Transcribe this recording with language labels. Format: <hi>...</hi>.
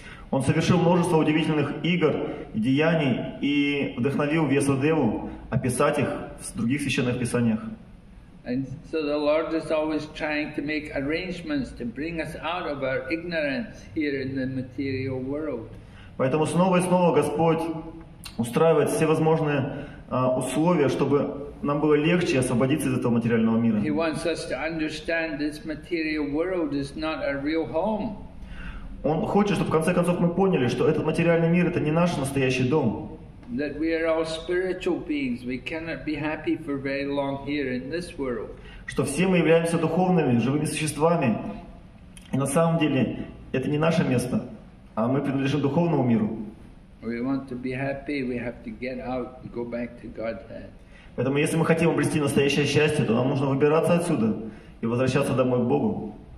<ru>Он совершил множество удивительных игр и деяний и вдохновил Вьясадеву описать их в других священных писаниях.</ru> <en>And so the Lord is always trying to make arrangements to bring us out of our ignorance here in the material world.</en> <ru>Поэтому снова и снова Господь устраивает всевозможные условия, чтобы нам было легче освободиться из этого материального мира.</ru> <en>He wants us to understand this material world is not a real home.</en> <ru>Он хочет, чтобы в конце концов мы поняли, что этот материальный мир — это не наш настоящий дом.</ru> <en>That we are all spiritual beings, we cannot be happy for very long here in this world.</en> <ru>Что все мы являемся духовными, живыми существами, и на самом деле это не наше место, а мы принадлежим духовному миру.</ru> <en>We want to be happy, we have to get out and go back to Godhead.</en> <ru>Поэтому, если мы хотим обрести настоящее счастье, то нам нужно выбираться отсюда и возвращаться домой к Богу.</ru>